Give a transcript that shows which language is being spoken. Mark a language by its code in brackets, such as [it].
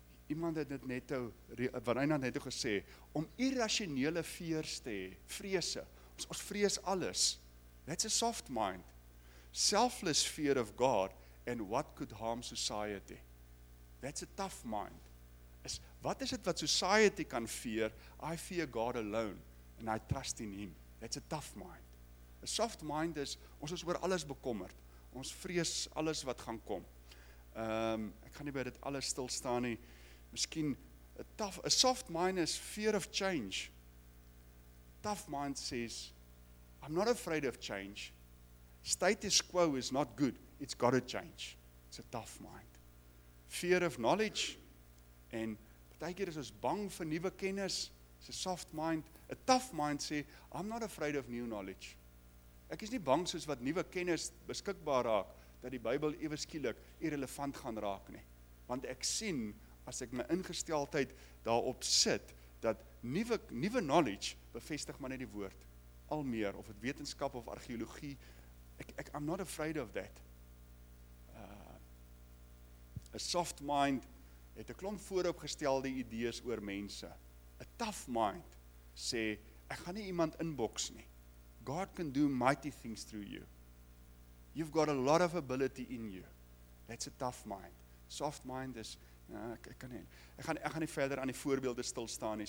[af] Iemand het dit netto, wat hy net gesê, om irrasionele vrees te hê, vrese, ons vrees alles. [en] That's a soft mind. Selfless fear of God, and what could harm society. That's a tough mind. [af] Wat is dit wat society kan fear? [en] I fear God alone, and I trust in Him. That's a tough mind. A soft mind is, [af] ons is oor alles bekommerd. Ons vrees alles wat gaan kom. Ek gaan nie by dit alles stilstaan nie. [en] Miskien, a soft mind is fear of change. Tough mind says, I'm not afraid of change. Status quo is not good. It's got to change. It's a tough mind. Fear of knowledge, and [af] partykeer is ons bang vir nuwe kennis, is 'n soft mind. [en] A tough mind sê, I'm not afraid of new knowledge. [af] Ek is nie bang soos wat nuwe kennis beskikbaar raak, dat die Bybel ewe skielik irrelevant gaan raak nie. Want ek sien, as ek my ingesteldheid daarop sit, dat nuwe knowledge bevestig maar net die woord, al meer, of het wetenskap of archeologie, [en] I'm not afraid of that. [af] A soft mind het 'n klomp vooropgestelde idees oor mense. A tough mind sê, ek gaan nie iemand inboks nie. [en] God can do mighty things through you. You've got a lot of ability in you. That's a tough mind. Soft mind is, [af] ek kan nie. Ek gaan nie verder aan die voorbeelde stilstaan nie.